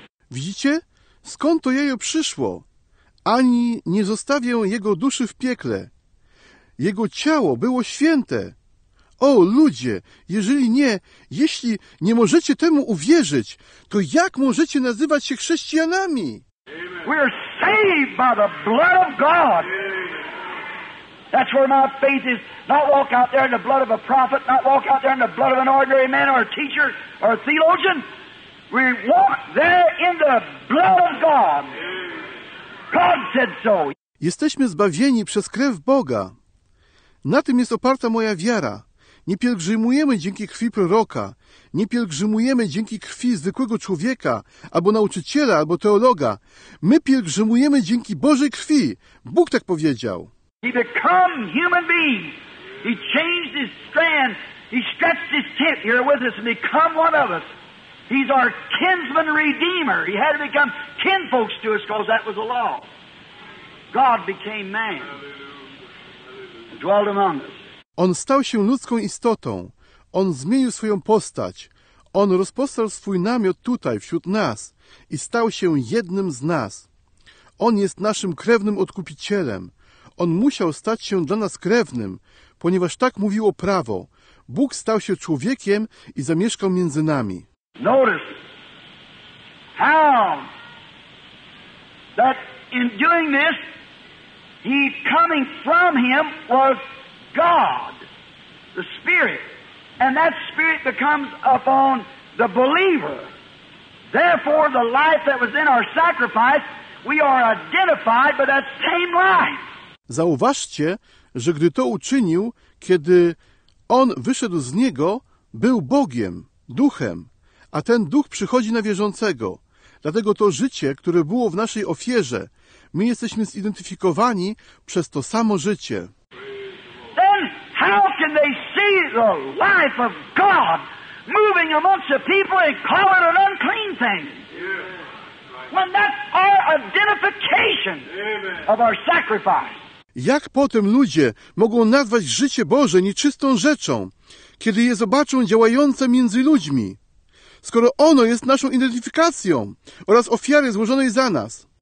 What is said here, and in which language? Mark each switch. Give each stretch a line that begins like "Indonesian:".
Polish: Widzicie? Skąd to jajo przyszło? Ani nie zostawię jego duszy w piekle. Jego ciało było święte. O, ludzie, jeśli nie możecie temu uwierzyć, to jak możecie nazywać się chrześcijanami?
English: We are saved by the blood of God. That's where my faith is. Not walk out there in the blood of a prophet, not walk out there in the blood of an ordinary man or a teacher or a theologian. We walk there in the blood of God. God said so.
Polish: Jesteśmy zbawieni przez krew Boga. Na tym jest oparta moja wiara. Nie pielgrzymujemy dzięki krwi proroka, nie pielgrzymujemy dzięki krwi zwykłego człowieka, albo nauczyciela, albo teologa. My pielgrzymujemy dzięki Bożej krwi. Bóg tak powiedział.
English: He became human being. He changed his strand. He stretched his tent here with us and become one of us. He's our kinsman redeemer. He had to become kinfolks to us because that was the law. God became man. And dwelt among us.
Polish: On stał się ludzką istotą. On zmienił swoją postać. On rozpostarł swój namiot tutaj, wśród nas i stał się jednym z nas. On jest naszym krewnym odkupicielem. On musiał stać się dla nas krewnym, ponieważ tak mówiło prawo. Bóg stał się człowiekiem i zamieszkał między nami.
English: Notice how that in doing this, he coming from him was God, the Spirit. And that Spirit becomes upon the believer. Therefore, the life that was in our sacrifice, we are identified by that same life.
Polish: Zauważcie, że gdy to uczynił, kiedy on wyszedł z niego, był Bogiem, duchem, a ten duch przychodzi na wierzącego. Dlatego to życie, które było w naszej ofierze, my jesteśmy zidentyfikowani przez to samo życie.
English: Then how can they see the life of God moving amongst the people and call it an unclean thing? When that's our identification of our sacrifice.
Polish: Jak potem ludzie mogą nazwać życie Boże nieczystą rzeczą, kiedy je zobaczą działające między ludźmi, skoro ono jest naszą identyfikacją oraz ofiary złożonej za nas?